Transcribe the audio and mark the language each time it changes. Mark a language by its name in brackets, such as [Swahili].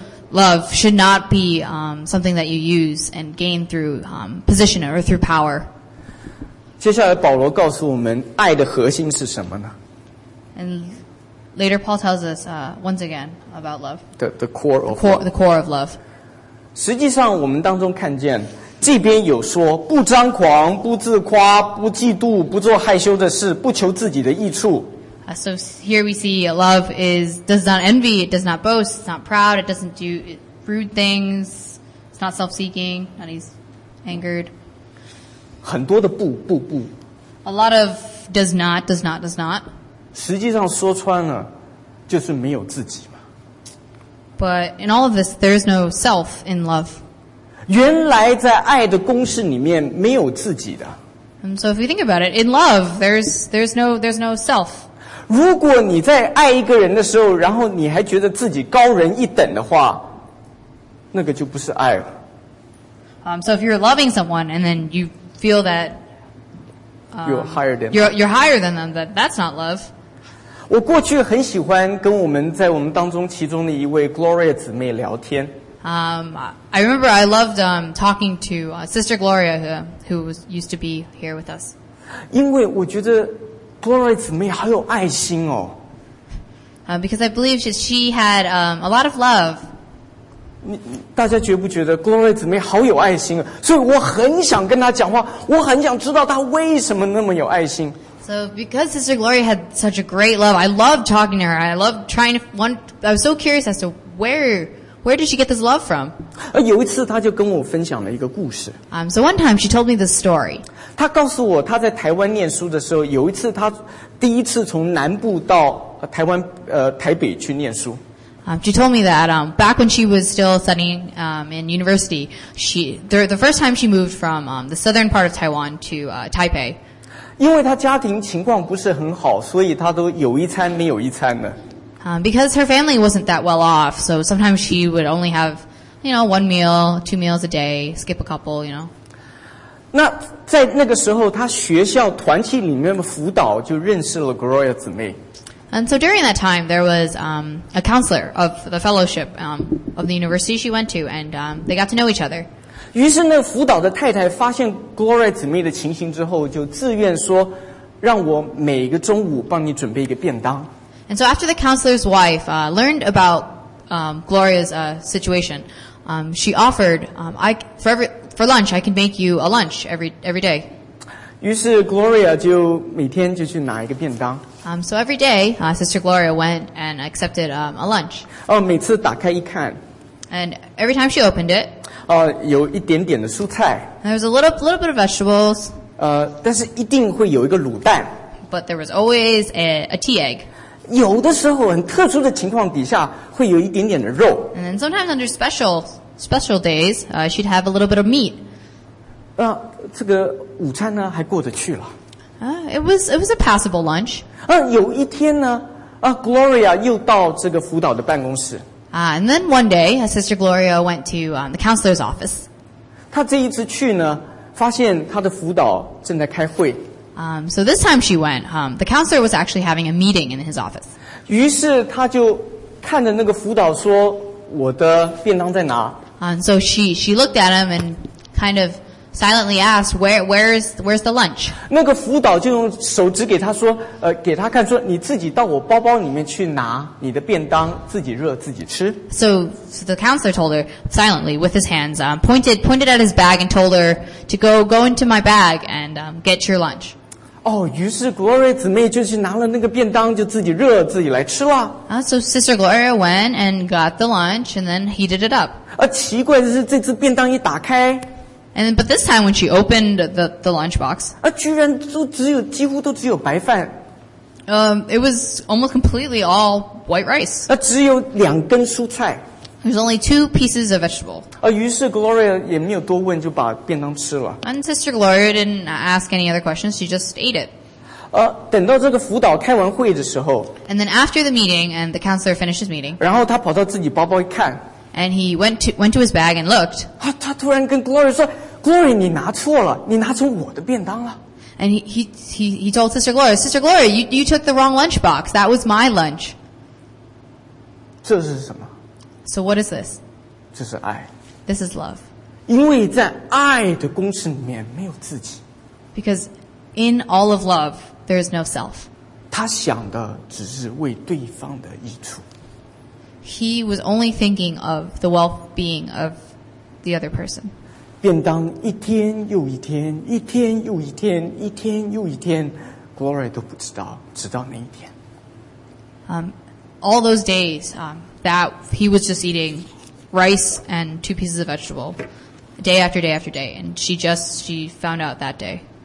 [English] Love should not be something that you use and gain through position or through power. [Chinese] 接下来保罗告诉我们爱的核心是什么呢？ [English] And later Paul tells us once again about love. The core of love. [Chinese] 实际上我们当中看见这边有说不张狂不自夸不嫉妒不做害羞的事不求自己的益处。 [English] So here we see love does not envy, it does not boast, it's not proud, it doesn't do rude things, it's not self-seeking, not he's angered. [Chinese] 很多的不不不。 [English] A lot of does not, does not, does not. [Chinese] 实际上说穿了就是没有自己嘛。 [English] But in all of this, there is no self in love. [Chinese] 原来在爱的公式里面没有自己的。 [English] And so if you think about it, in love, there's no self. [Chinese] 如果你在爱一个人的时候，然后你还觉得自己高人一等的话，那个就不是爱了。 [English] So if you're loving someone and then you feel that you're higher than them, that's not love. [Chinese] 我过去很喜欢跟我们在我们当中其中的一位 Gloria 姊妹聊天。 [English] I remember I loved talking to Sister Gloria who used to be here with us. [Chinese] 因为我觉得。 Gloria 姊妹好有爱心哦。 [English] Because I believe she had a lot of love. [Chinese] 大家觉不觉得 Gloria 姊妹好有爱心啊？所以我很想跟她讲话，我很想知道她为什么那么有爱心。 [English] So because Sister Gloria had such a great love, I loved talking to her. I loved trying to I was so curious as to where did she get this love from? [Chinese] 有一次她就跟我分享了一个故事。 [English] So one time she told me this story. [Chinese] 他告诉我他在台湾念书的时候有一次他第一次从南部到台湾台北去念书。 [English] She told me that back when she was still studying in university, the first time she moved from the southern part of Taiwan to Taipei. [Chinese] 因为他家庭情况不是很好所以他都有一餐没有一餐的。 [English] Because her family wasn't that well off, so sometimes she would only have, one meal, two meals a day, skip a couple, [Chinese] 那在那个时候，他学校团契里面的辅导就认识了 Gloria 姊妹。 [English] And so during that time, there was a counselor of the fellowship of the university she went to, and they got to know each other. [Chinese] 于是那辅导的太太发现 Gloria 姊妹的情形之后，就自愿说，让我每个中午帮你准备一个便当。 [English] And so after the counselor's wife learned about Gloria's situation, she offered, for lunch, I can make you a lunch every day. [Chinese] 于是 Gloria 就每天就去拿一个便当。 [English] So every day, Sister Gloria went and accepted a lunch. [Chinese] 每次打开一看。 [English] And every time she opened it, [Chinese] 有一点点的蔬菜。 [English] There was a little bit of vegetables. [Chinese] 但是一定会有一个卤蛋。 [English] But there was always a tea egg. [Chinese] 有的时候很特殊的情况底下会有一点点的肉。 [English] And then sometimes under special days, she'd have a little bit of meat. [Chinese] 这个午餐呢还过得去了。 [English] It was a passable lunch. [Chinese] 有一天呢Gloria 又到这个辅导的办公室。 [English] And then one day, Sister Gloria went to the counselor's office. [Chinese] 她这一次去呢发现她的辅导正在开会。 [English] So this time she went. The counselor was actually having a meeting in his office. [Chinese] 于是他就看着那个辅导说，我的便当在哪？ [English] So she looked at him and kind of silently asked, where's the lunch? [Chinese] 那个辅导就用手指给他说，给他看说，你自己到我包包里面去拿你的便当，自己热自己吃。 [English] So the counselor told her silently with his hands, pointed at his bag and told her to go into my bag and get your lunch. [Chinese] 于是 Gloria 姊妹就去拿了那个便当，就自己热自己来吃了。 [English] So Sister Gloria went and got the lunch and then heated it up. [Chinese] 奇怪的是这次便当一打开。 [English] But this time when she opened the lunchbox, [Chinese] 居然都只有几乎都只有白饭。 [English] It was almost completely all white rice. [Chinese] 只有两根蔬菜。 [English] There's only two pieces of vegetable. [Chinese] 于是 Gloria 也没有多问就把便当吃了。 [English] And Sister Gloria didn't ask any other questions, she just ate it. [Chinese] 等到这个辅导开完会的时候。 [English] And then after the meeting and the counselor finished his meeting. [Chinese] 然后他跑到自己包包一看。 [English] And he went to his bag and looked. [Chinese] 他突然跟 Gloria 说 ,Gloria, 你拿错了你拿成我的便当了。 [English] And he told Sister Gloria, Sister Gloria, you took the wrong lunchbox. That was my lunch. [Chinese] 这是什么 [English] ?So what is this? [Chinese] 这是爱。 [English] This is love. [Chinese] 因为在爱的公式里面没有自己。 [English] Because in all of love, there is no self. [Chinese] 他想的只是为对方的益处。 [English] He was only thinking of the well-being of the other person. [Chinese] 便当一天又一天，一天又一天，一天又一天 ，Gloria 都不知道，直到那一天。 [English] All those days, that he was just eating rice and two pieces of vegetable, day after day after day, and she found out that day.